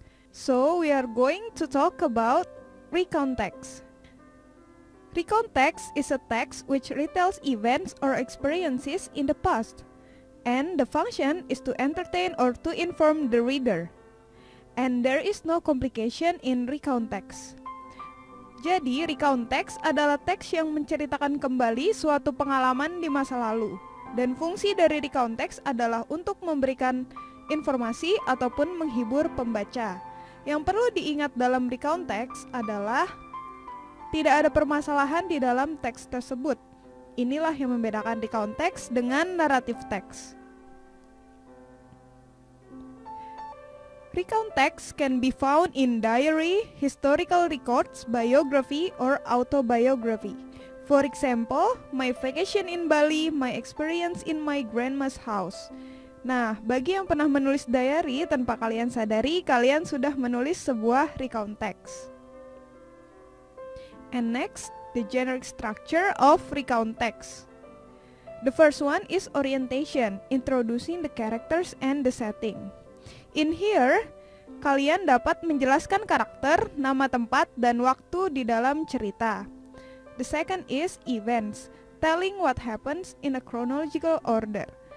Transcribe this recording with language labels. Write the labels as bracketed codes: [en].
[en] So we are going to talk about recount text. Recount text is a text which retells events or experiences in the past, and the function is to entertain or to inform the reader. And there is no complication in recount text. [id] Jadi, recount text adalah teks yang menceritakan kembali suatu pengalaman di masa lalu. Dan fungsi dari recount text adalah untuk memberikan informasi ataupun menghibur pembaca. Yang perlu diingat dalam recount text adalah tidak ada permasalahan di dalam teks tersebut. Inilah yang membedakan recount text dengan narrative text. [en] Recount text can be found in diary, historical records, biography, or autobiography. For example, my vacation in Bali, my experience in my grandma's house. [id] Nah, bagi yang pernah menulis diary, tanpa kalian sadari, kalian sudah menulis sebuah recount text. [en] And next, the generic structure of recount text. The first one is orientation, introducing the characters and the setting. In here, [id] kalian dapat menjelaskan karakter, nama tempat, dan waktu di dalam cerita. [en] The second is events, telling what happens in a chronological order.